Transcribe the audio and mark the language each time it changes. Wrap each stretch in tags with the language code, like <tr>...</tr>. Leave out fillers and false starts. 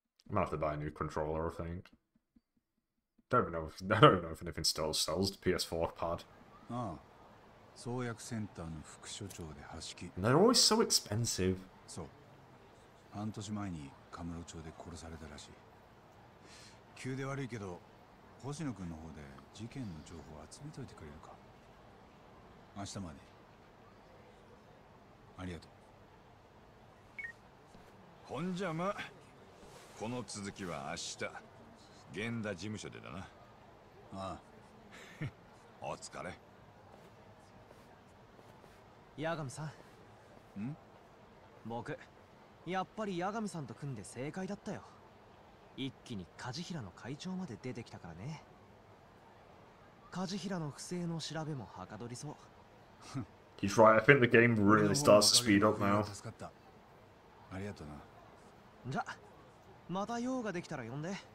<en>I'm gonna have to buy a new controller, I think. I don't know if anything still sells the PS4 pad.</en> <ja>ああ、創薬センターの副所長で端切り。</ja> <en>They're always so expensive.</en> <ja>そう。半年前にカムロ町で殺されたらしい。急で悪いけど、星野君の方で事件の情報を集めといてくれるか。明日まで。ありがとう。ほんじゃま、この続きは明日、源田事務所でだな。ああ。お疲れ。八神さん。ん？僕、やっぱり八神さんと組んで正解だったよ。一気に梶平の会長まで出てきたからね。梶平の不正の調べもはかどりそう。</ja> <en>He's right. I think the game really starts to speed up now.</en> <ja>ありがとうな。じゃ、また用ができたら呼んで。</ja>